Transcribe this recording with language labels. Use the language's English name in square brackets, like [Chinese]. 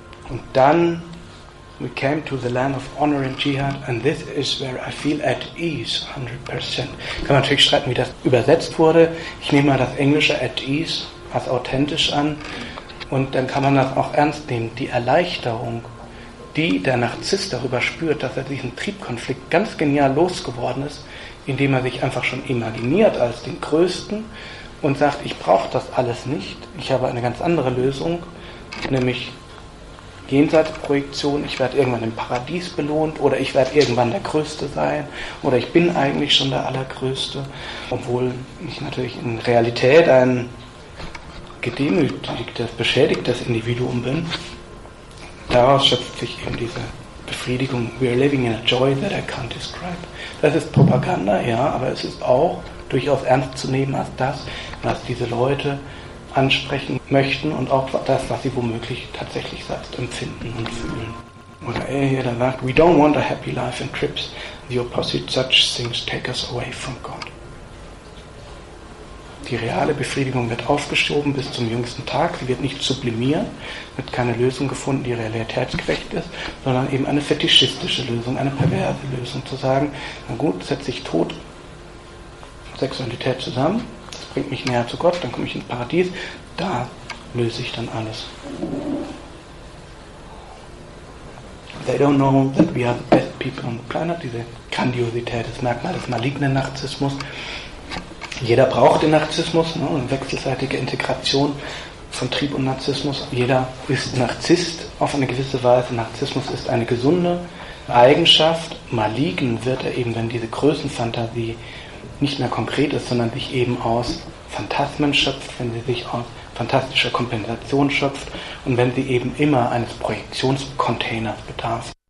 [German] Und dann, [English] we came to the land of honor and jihad and this is where I feel at ease 100%. [German] Kann man natürlich streiten, wie das übersetzt wurde. Ich nehme mal das Englische at ease als authentisch an und dann kann man das auch ernst nehmen. Die Erleichterung, die der Narzisst darüber spürt, dass er diesen Triebkonflikt ganz genial losgeworden ist, indem er sich einfach schon imaginiert als den Größten und sagt, ich brauche das alles nicht, ich habe eine ganz andere Lösung, nämlich Jenseitsprojektion, ich werde irgendwann im Paradies belohnt oder ich werde irgendwann der Größte sein oder ich bin eigentlich schon der Allergrößte, obwohl ich natürlich in Realität ein gedemütigtes, beschädigtes Individuum bin. Daraus schöpft sich eben diese Befriedigung. [English] We are living in a joy that I can't describe. [German] Das ist Propaganda, ja, aber es ist auch durchaus ernst zu nehmen als das, was diese Leute ansprechen möchten und auch das, was sie womöglich tatsächlich selbst empfinden und fühlen. Oder er hier dann sagt, [English] we don't want a happy life in trips. The opposite such things take us away from God. [German] Die reale Befriedigung wird aufgeschoben bis zum jüngsten Tag. Sie wird nicht sublimiert, wird keine Lösung gefunden, die realitätsgerecht ist, sondern eben eine fetischistische Lösung, eine perverse Lösung. Zu sagen, na gut, setze ich Tod und Sexualität zusammen, das bringt mich näher zu Gott, dann komme ich ins Paradies, da löse ich dann alles. [English] They don't know that we are the best people on the planet. [German] Diese Grandiosität, das Merkmal des malignen Narzissmus. Jeder braucht den Narzissmus, ne, eine wechselseitige Integration von Trieb und Narzissmus. Jeder ist Narzisst auf eine gewisse Weise. Narzissmus ist eine gesunde Eigenschaft. Maligen wird er eben, wenn diese Größenfantasie nicht mehr konkret ist, sondern sich eben aus Phantasmen schöpft, wenn sie sich aus fantastischer Kompensation schöpft und wenn sie eben immer eines Projektionscontainers bedarf.